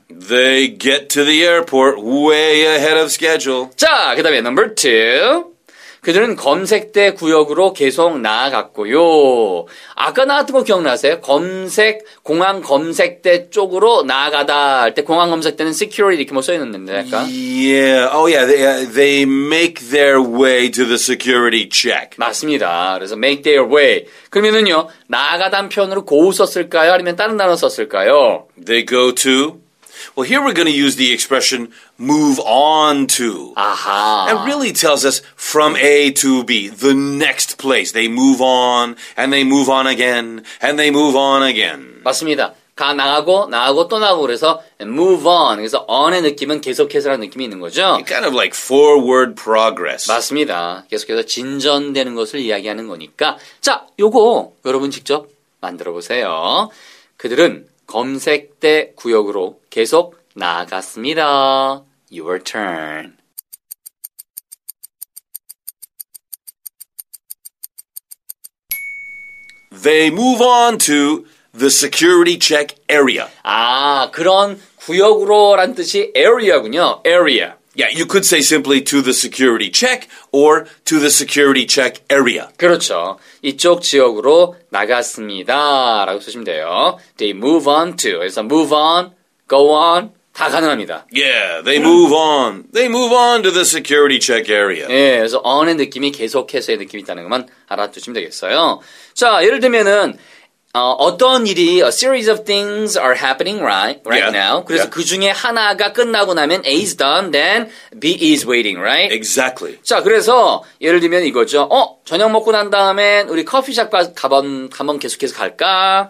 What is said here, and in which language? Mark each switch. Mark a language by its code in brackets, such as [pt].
[en] They get to the airport way ahead of schedule. [ko] 자, 그다음에 [en] number 2. [ko] 그들은 검색대 구역으로 계속 나아갔고요. 아까 나왔던 거 기억나세요? 검색, 공항 검색대 쪽으로 나아가다 할 때 공항 검색대는 security 이렇게 뭐 써있는데 아까? [en] Yeah. Oh yeah. They make their way to the security check. [ko] 맞습니다. 그래서 [en] make their way. [ko] 그러면은요, 나아가다는 표현으로 go 썼을까요? 아니면 다른 단어 썼을까요? [en] They go to. Well, here we're going to use the expression move on to. Aha. It really tells us from A to B, the next place. They move on, and they move on again, and they move on again. [ko] 맞습니다. 가 나가고, 나가고, 또 나가고, 그래서 [en] move on. [ko] 그래서 on의 느낌은 계속해서라는 느낌이 있는 거죠. [en] It's kind of like forward progress. [ko] 맞습니다. 계속해서 진전되는 것을 이야기하는 거니까. 자, 요거 여러분 직접 만들어보세요. 그들은 검색대 구역으로 계속 나아갔습니다. [en] Your turn. They move on to the security check area. [ko] 아, 그런 구역으로란 뜻이 area군요. Area. [en] Yeah, you could say simply to the security check or to the security check area. [ko] 그렇죠. 이쪽 지역으로 나갔습니다. 라고 쓰시면 돼요. [en] They move on to. [ko] 그래서 [en] move on, go on, [ko] 다 가능합니다. [en] Yeah, they move on. They move on to the security check area. [ko] 예, 그래서 on의 느낌이 계속해서의 느낌이 있다는 것만 알아두시면 되겠어요. 자, 예를 들면은 어떤 일이 [en] a series of things are happening right yeah. now. [ko] 그래서 [en] yeah. [ko] 그 중에 하나가 끝나고 나면 [en] A is done, then B is waiting, right? Exactly. [ko] 자, 그래서 예를 들면 이거죠. 저녁 먹고 난 다음에 우리 커피숍 가면 계속해서 갈까?